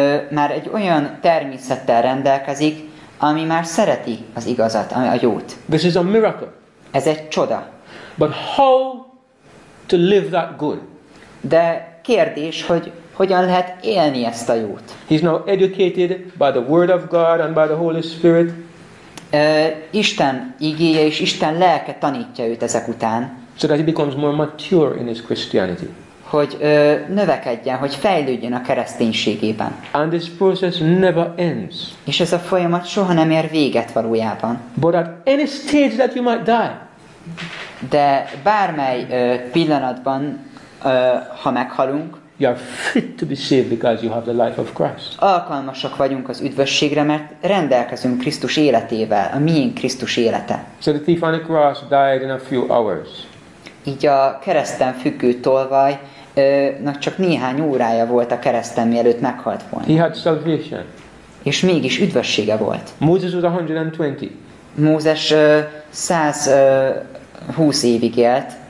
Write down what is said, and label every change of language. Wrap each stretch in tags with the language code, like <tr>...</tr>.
<hu>Már egy olyan természettel rendelkezik, ami már szereti az igazat, a jót.</hu> <en>This is a miracle.</en> <hu>Ez egy csoda.</hu> <en>But how to live that good?</en> <hu>De kérdés, hogy hogyan lehet élni ezt a jót?</hu> <en>He's now educated by the Word of God and by the Holy Spirit.</en> <hu>Isten igéje és Isten lelke tanítja őt ezek után.</hu> <en>So that he becomes more mature in his Christianity.</en> <hu>Hogy növekedjen, hogy fejlődjön a kereszténységében.</hu> <en>And this process never ends.</en> <hu>És ez a folyamat soha nem ér véget valójában.</hu> <en>But at any stage that you might die.</en> <hu>De bármely pillanatban, ha meghalunk,</hu> <en>you are fit to be saved because you have the life of Christ.</en> <hu>Alkalmasak vagyunk az üdvösségre, mert rendelkezünk Krisztus életével, a miénk Krisztus élete.</hu> <en>So the thief on the cross died in a few hours.</en> <hu>Így a kereszten függő tolvaj csak néhány órája volt a kereszten, mielőtt meghalt volna.</hu> <en>He had salvation.</en> <hu>És mégis üdvössége volt.</hu> <en>Moses was 120.</en> <hu>Mózes 120 évig élt.</hu>